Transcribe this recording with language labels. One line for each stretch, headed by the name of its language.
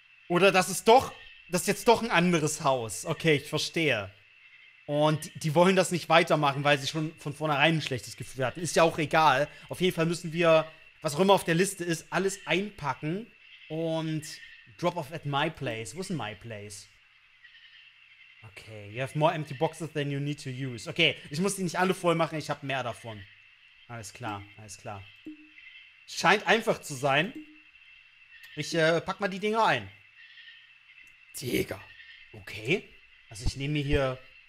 German: Oder das ist jetzt doch ein anderes Haus. Okay, ich verstehe. Und die wollen das nicht weitermachen, weil sie schon von vornherein ein schlechtes Gefühl hatten. Ist ja auch egal. Auf jeden Fall müssen wir, was auch immer auf der Liste ist, alles einpacken und
English: drop off at my place.
German: Wo ist denn
English: my place? Okay, you have more empty boxes than you need to use.
German: Okay, ich muss die nicht alle voll machen, ich habe mehr davon. Alles klar. Scheint einfach zu sein. Ich pack mal die Dinger ein. Jäger. Okay, also ich nehme mir hier...